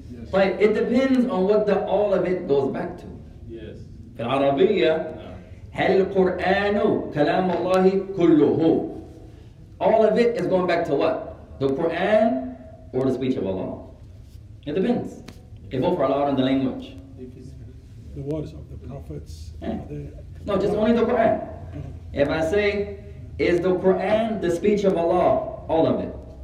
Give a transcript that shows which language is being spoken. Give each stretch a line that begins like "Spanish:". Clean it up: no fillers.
English: But it depends on what the all of it goes back to. Yes.
Arabic: In Arabiyyah, هل القرآن كلام الله كله?
English: All of it is going back to what? The Quran or the speech of Allah? It depends. It both for Allah in the language. The words of the prophets. No, just only the Quran. If I say, is the Quran the speech of Allah? All of it.